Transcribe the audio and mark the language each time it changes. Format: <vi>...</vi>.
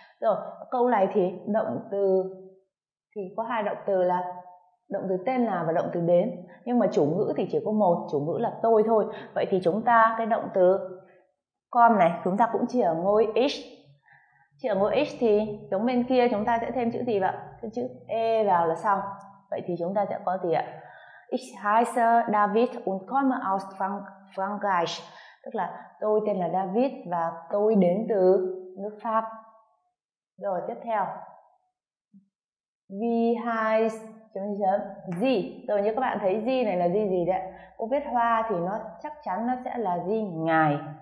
<vi>Rồi, câu này thì động từ thì có hai động từ là động từ tên là và động từ đến, nhưng mà chủ ngữ thì chỉ có một, chủ ngữ là tôi thôi. Vậy thì chúng ta cái động từ come này chúng ta cũng chia ở ngôi ich. Chia ở ngôi ich thì giống bên kia chúng ta sẽ thêm chữ gì vậy? Thêm chữ e vào là xong. Vậy thì chúng ta sẽ có gì ạ?</vi> <de>Ich heiße David und komme aus Frankreich.</de> <vi>Tức là tôi tên là David và tôi đến từ nước Pháp. Rồi tiếp theo, wie heißt gì? Rồi như các bạn thấy gì này là gì đấy? Cô viết hoa thì nó chắc chắn nó sẽ là gì ngài.</vi>